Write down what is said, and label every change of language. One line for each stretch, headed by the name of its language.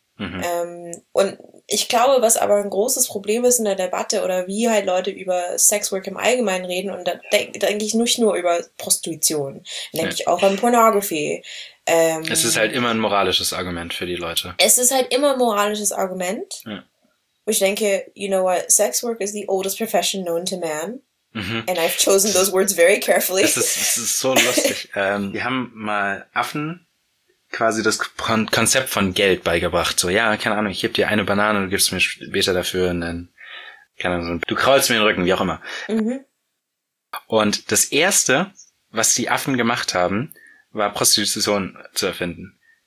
German: Und ich glaube, was aber ein großes Problem ist in der Debatte oder wie halt Leute über Sexwork im Allgemeinen reden, und da denke ich nicht nur über Prostitution, denke ich auch an Pornography. Es ist halt immer ein moralisches Argument für die Leute. Es ist halt immer ein moralisches Argument. Ja. Ich denke,
English: you know what, Sexwork is the oldest profession known to man. Mhm. And I've chosen those words very carefully.
German: Das ist so lustig. Wir haben mal Affen quasi das Konzept von Geld beigebracht. So, ja, keine Ahnung, ich gebe dir eine Banane, du gibst mir später dafür und dann, keine Ahnung, du kraulst mir den Rücken, wie auch immer. Und das Erste, was die Affen gemacht haben, war Prostitution zu erfinden.